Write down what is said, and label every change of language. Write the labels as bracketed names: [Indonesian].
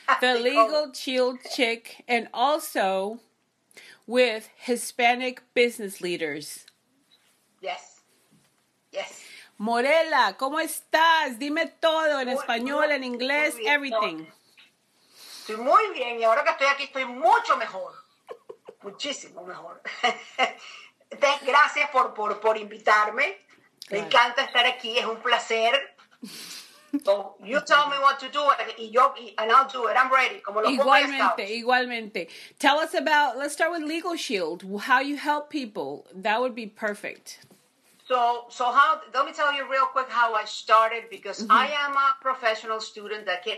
[English] The legal shield chick, and also with Hispanic business leaders. Yes. Yes. [Spanish] Morella, ¿cómo estás? Dime todo en español, en inglés, muy bien, [English] everything. [Spanish] Estoy muy bien y ahora que estoy aquí estoy mucho mejor. Muchísimo mejor. Gracias por invitarme. Claro. Me encanta estar aquí, es un placer. [English] So, you tell me what to do and I'll do it. I'm ready. [Spanish] Como los igualmente, igualmente. [English] Tell us about, let's start with Legal Shield, how you help people. That would be perfect. So how? Let me tell you real quick how I started, because mm-hmm. I am a professional student that came.